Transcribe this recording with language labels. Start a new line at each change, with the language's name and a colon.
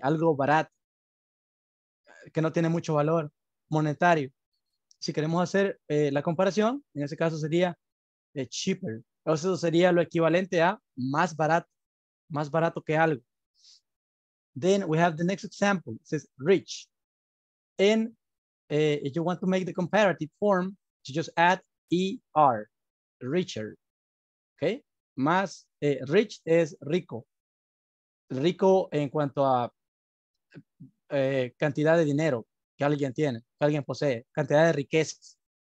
Spanish: Algo barato que no tiene mucho valor monetario. Si queremos hacer la comparación, en ese caso sería cheaper. Eso sería lo equivalente a más barato que algo.
English: Then we have the next example. It says rich. And if you want to make the comparative form, you just add er, richer.
Spanish: Okay? Más rich es rico. Rico en cuanto a cantidad de dinero que alguien tiene, que alguien posee, cantidad de riquezas.